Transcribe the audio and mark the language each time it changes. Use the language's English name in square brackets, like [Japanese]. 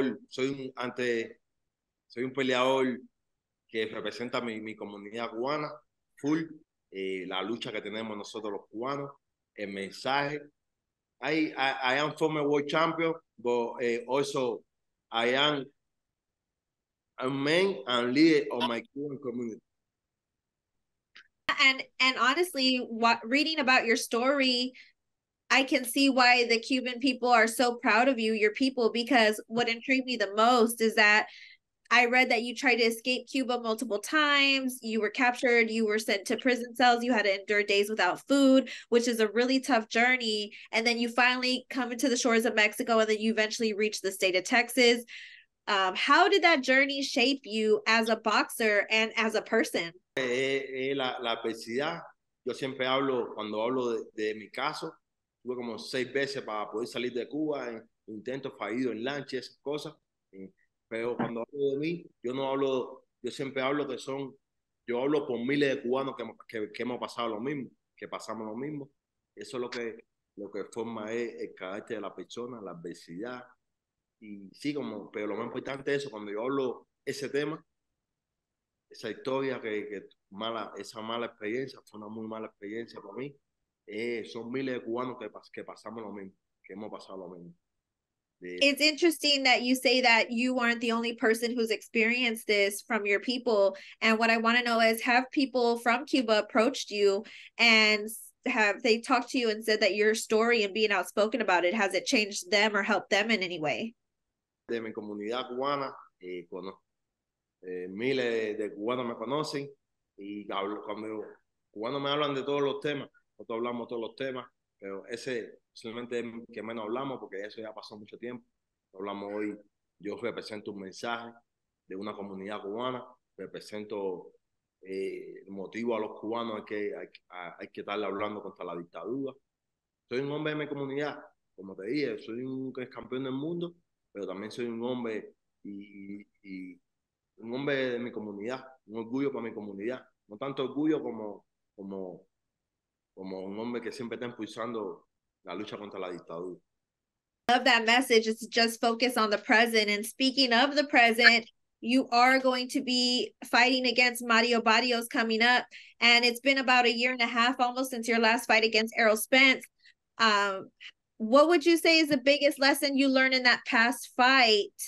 [Spanish] Soy un peleador que representa mi comunidad cubana full. La lucha que tenemos nosotros los cubanos, el mensaje. [English] I am former world champion, but also I am a man and leader of my Cuban community. And honestly, reading about your story, I can see why the Cuban people are so proud of you, your people, because what intrigued me the most is that I read that you tried to escape Cuba multiple times. You were captured. You were sent to prison cells. You had to endure days without food, which is a really tough journey. And then you finally come into the shores of Mexico, and then you eventually reach the state of Texas. How did that journey shape you as a boxer and as a person? [Spanish] La adversidad. Yo siempre hablo, cuando hablo de mi caso, tuve como 6 veces para poder salir de Cuba, en intentos fallidos, en lanches, esas cosas. Pero cuando hablo de mí, yo hablo por miles de cubanos que hemos pasado lo mismo, que pasamos lo mismo. Eso es lo que forma es el carácter de la persona, la adversidad. Y sí, pero lo más importante es eso, cuando yo hablo ese tema, esa historia esa mala experiencia, fue una muy mala experiencia para mí. Son miles de cubanos que pasamos lo mismo, que hemos pasado lo mismo. [English] It's interesting that you say that you aren't the only person who's experienced this from your people. And what I want to know is, have people from Cuba approached you and have they talked to you and said that your story and being outspoken about it, has it changed them or helped them in any way? [Spanish] De mi comunidad cubana, miles de cubanos me conocen y hablo conmigo. Cuando me hablan de todos los temas, nosotros hablamos todos los temas. Pero ese solamente que menos hablamos, porque eso ya pasó mucho tiempo. Hablamos hoy, yo represento un mensaje de una comunidad cubana, represento el motivo a los cubanos hay que estarle hablando contra la dictadura. Soy un hombre de mi comunidad, como te dije, soy un campeón del mundo, pero también soy un hombre y un hombre de mi comunidad, un orgullo para mi comunidad. No tanto orgullo como un hombre que siempre está impulsando la lucha contra la dictadura. [English] Love that message. It's just focus on the present. And speaking of the present, you are going to be fighting against Mario Barrios coming up. And it's been about a year and a half almost since your last fight against Errol Spence. What would you say is the biggest lesson you learned in that past fight?